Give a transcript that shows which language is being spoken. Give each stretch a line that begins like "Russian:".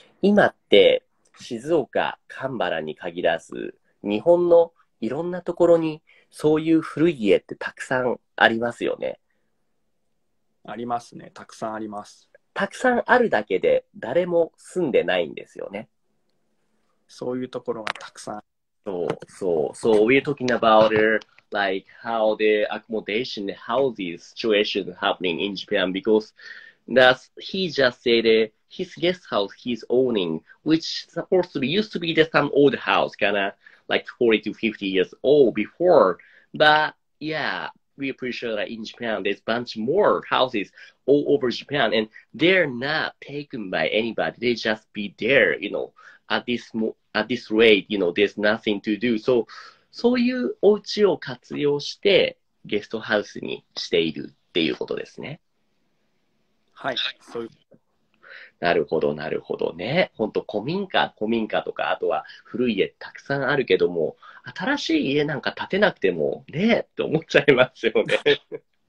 Japanese: 今って静岡、神原に限らず、日本のいろんなところにそういう古い家ってたくさんありますよね。ありますね、たくさんあります。たくさんあるだけで誰も住んでないんですよね。そういうところがたくさん。
English: So we're talking about like how the accommodation houses situation happening in Japan because. That he just said his guest house he's owning, which supposed to be used to be just some old house, kind of like 40 to 50 years old before. But yeah, we appreciate that in Japan there's a bunch more houses all over Japan, and they're not taken by anybody. They just be there, you know, at this rate, you know, there's nothing to do.
Japanese: So, そういうお家を活用してゲストハウスにしているっていうことですね。はい、そういう。なるほど、なるほどね。本当、古民家とか、あとは古い家たくさんあるけども、新しい家なんか建てなくてもねえって思っちゃいますよね。